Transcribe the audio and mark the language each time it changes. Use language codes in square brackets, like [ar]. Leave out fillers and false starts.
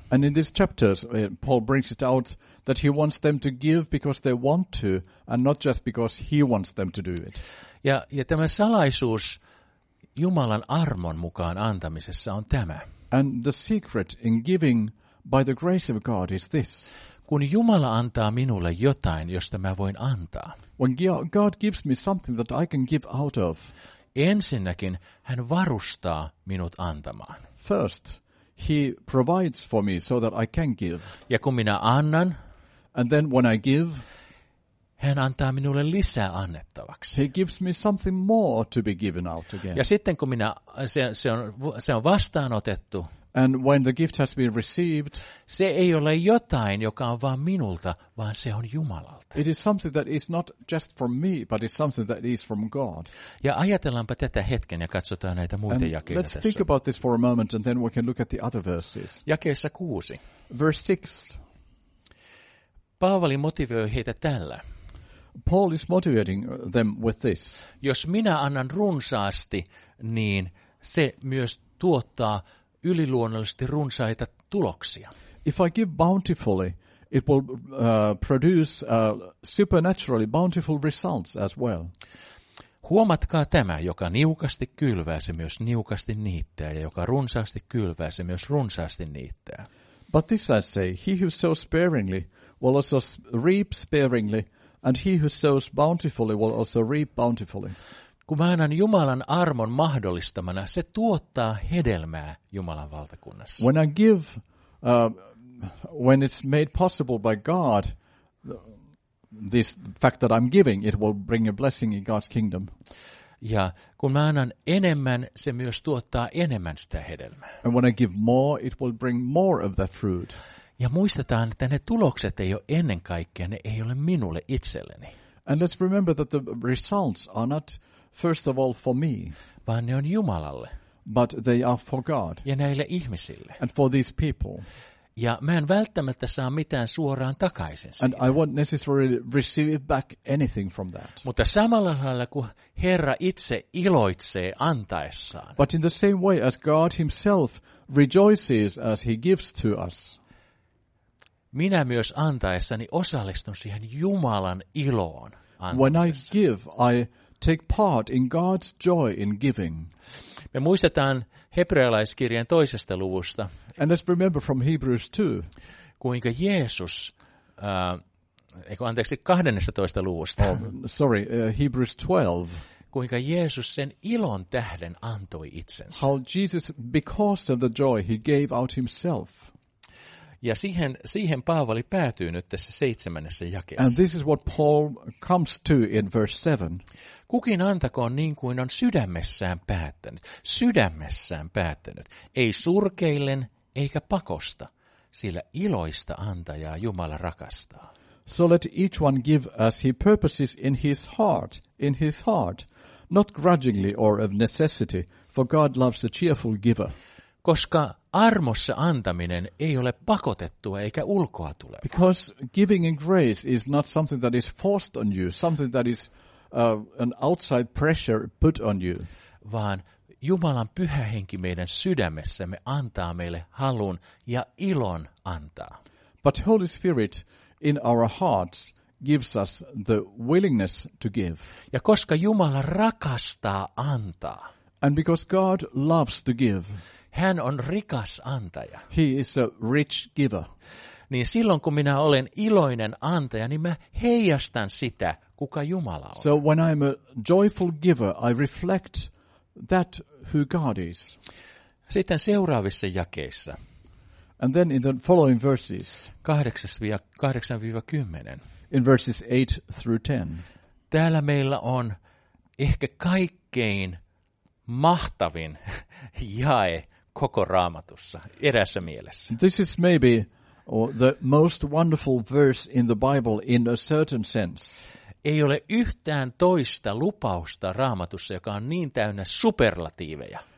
[en] And in these chapters, Paul brings it out that he wants them to give because they want to, and not just because he wants them to do it. [fi] Ja tämä salaisuus Jumalan armon mukaan antamisessa on tämä. [en] And the secret in giving by the grace of God is this. [fi] Kun Jumala antaa minulle jotain, josta mä voin antaa. [en] When God gives me something that I can give out of. [fi] Ensinnäkin hän varustaa minut antamaan. [en] First, he provides for me so that I can give. [fi] Ja kun minä annan, [en] and then when I give, [fi] hän antaa minulle lisää annettavaksi. [en] He gives me something more to be given out again. [fi] Ja sitten kun minä se on vastaanotettu. [en] And when the gift has been received, [fi] se ei ole jotain, joka on vaan minulta, vaan se on Jumalalta. [en] It is something that is not just from me, but it's something that is from God. [fi] Ja ajatellaanpa tätä hetken ja katsotaan näitä muita [en] and [fi] jakeita. [en] Let's [fi] tässä. [en] Think about this for a moment and then we can look at the other verses. [fi] Jakeessa 6. [en] Verse 6. [fi] Paavali motivoi heitä tällä. [en] Paul is motivating them with this. [fi] Jos minä annan runsaasti, niin se myös tuottaa yliluonnollisesti runsaita tuloksia. [en] If I give bountifully, it will produce supernaturally bountiful results as well. [fi] Huomatkaa tämä, joka niukasti kylvää, se myös niukasti niittää, ja joka runsaasti kylvää, se myös runsaasti niittää. [en] But this I say, he who sows sparingly will also reap sparingly, and he who sows bountifully will also reap bountifully. [fi] Kun mä annan Jumalan armon mahdollistamana, se tuottaa hedelmää Jumalan valtakunnassa. [en] When I give, when it's made possible by God, this fact that I'm giving, it will bring a blessing in God's kingdom. [fi] Ja kun mä annan enemmän, se myös tuottaa enemmän sitä hedelmää. [en] And when I give more, it will bring more of that fruit. [fi] Ja muistetaan, että ne tulokset ei ole ennen kaikkea, ne ei ole minulle itselleni. [en] And let's remember that the results are not first of all for me. [fi] Vaan ne on Jumalalle. [en] But they are for God. [fi] Ja näille ihmisille. [en] And for these people. [fi] Ja mä en välttämättä saa mitään suoraan takaisin siitä. [en] And I won't necessarily receive back anything from that. [fi] Mutta samalla lailla kuin Herra itse iloitsee antaessaan. [en] But in the same way as God himself rejoices as he gives to us. [fi] Minä myös antaessani osallistun siihen Jumalan iloon antamisessa. [en] When I give, I take part in God's joy in giving. [fi] Me muistetaan hebrealaiskirjan toisesta luvusta. [en] And let's remember from Hebrews 2. [fi] Kuinka Jeesus, anteeksi, 12. luvusta. [en] Hebrews 12. [fi] Kuinka Jeesus sen ilon tähden antoi itsensä. [en] How Jesus, because of the joy, he gave out himself. [fi] Ja siihen Paavali päätyy nyt tässä 7. jakeessa. [en] And this is what Paul comes to in verse 7. [fi] Kukin antakoon niin kuin on sydämessään päättänyt. Sydämessään päättänyt. Ei surkeillen eikä pakosta, sillä iloista antajaa Jumala rakastaa. [en] So let each one give as he purposes in his heart, not grudgingly or of necessity, for God loves a cheerful giver. [fi] Koska armossa antaminen ei ole pakotettua eikä ulkoa tule. [en] Because giving in grace is not something that is forced on you, something that is an outside pressure put on you. [fi] Vaan Jumalan pyhä henki meidän sydämessämme antaa meille halun ja ilon antaa. [en] But Holy Spirit in our hearts gives us the willingness to give. [fi] Ja koska Jumala rakastaa antaa. [en] And because God loves to give. [fi] Hän on rikas antaja. [en] He is a rich giver. [fi] Niin silloin kun minä olen iloinen antaja, niin mä heijastan sitä, kuka Jumala on. [en] So when I'm a joyful giver, I reflect that who God is. [fi] Sitten seuraavissa jakeissa. [en] And then in the following verses. [fi] 8-10. [en] In verses 8 through 10. [fi] Täällä meillä on ehkä kaikkein mahtavin jae koko Raamatussa, eräässä mielessä. [en] This is maybe the most wonderful verse in the Bible in a certain sense. [fi] Ei ole yhtään toista lupausta Raamatussa, joka on niin täynnä superlatiiveja.